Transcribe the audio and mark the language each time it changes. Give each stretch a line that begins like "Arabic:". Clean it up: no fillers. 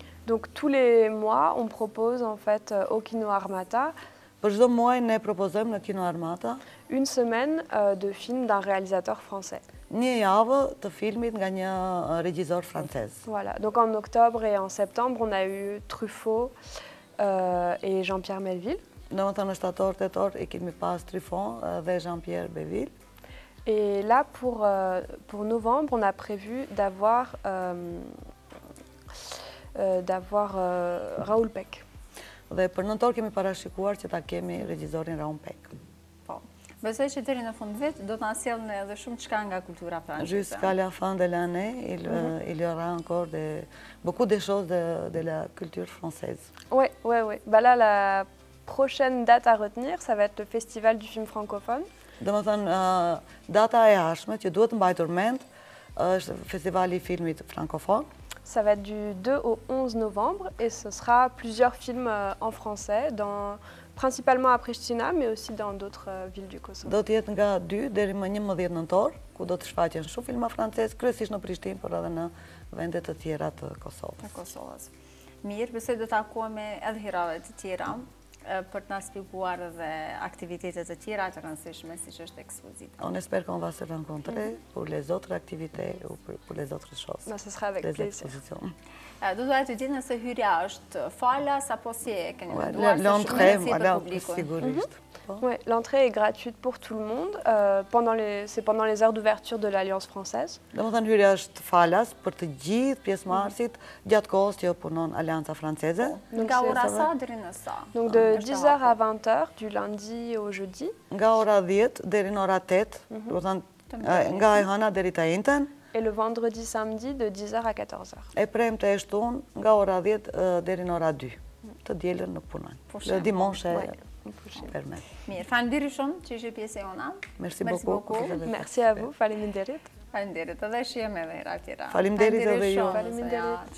French: Donc tous les mois, on propose en fait au Kino Armata. Pour chaque mois, nous proposons le Kino Armata. Une semaine de films d'un réalisateur français.
Albanian: Një javë të filmit nga një regjisor francez.
French: Voilà. Donc en octobre et en septembre, on a eu Truffaut et Jean-Pierre Melville.
Albanian: Në mëtë në shtator, tëtor, e kemi pas Truffaut dhe Jean-Pierre Melville.
French: Et là, pour novembre, on a prévu d'avoir Raoul Peck.
Albanian: Dhe për nëntor kemi parashikuar që ta kemi regjisorin Raoul Peck. Besoj që deri në fund vit do të na sjellë edhe shumë çka nga kultura franceze.
French: Jusqu'à la fin de l'année, il y aura encore beaucoup de choses de la culture française. Ouais, ouais, ouais. Bah là, la prochaine date à retenir, ça va être le festival du film francophone.
Albanian: Domethënë, data e hapshme që duhet mbajtur mend është festivali i filmit francophone.
French: Ça va être du 2 au 11 novembre et ce sera plusieurs films en français dans principalement à Pristina, mais aussi dans d'autres villes du Kosovo.
Albanian: Do të jetë nga 2 deri më 11 nëntor, ku do të shfaqen shumë filma francez, kryesisht në Prishtinë, por edhe në vende të tjera të Kosovës. Të Kosovës. Mirë, besoj do të takohemi edhe herave të tjera për të na shpjeguar edhe aktivitetet e tjera të rëndësishme, siç është ekspozita.
French: On espère qu'on va se rencontrer pour les autres activités ou pour les autres choses. Ma, ce sera avec les expositions.
Albanian: Do të të dinë nëse hyrja është falas apo si e keni menduar.
French: L'entrée, voilà, sigurisht. Oui, l'entrée est gratuite pour tout le monde. C'est pendant les heures d'ouverture de l'Alliance française.
Albanian: Domethënë hyrja është falas për të gjithë pjesëmarrësit gjatë kohës që punon Alianca Franceze. Nga ora sa deri në sa?
French: Donc de 10h à 20h du lundi au jeudi.
Albanian: Nga ora 10 deri në ora 8, do të thënë nga e hëna deri te entën.
French: Et le vendredi samedi de 10h à 14h.
Albanian: E premte e shtun nga ora 10 deri në ora 2. Të dielën në punën.
French: Le dimanche est permis.
Albanian: Mirë, faleminderit shumë që ishe pjesë e ona.
French: Merci beaucoup. Merci à vous.
Albanian: Faleminderit. Faleminderit. Edhe shihem edhe herë tjetër. Faleminderit edhe ju. Faleminderit.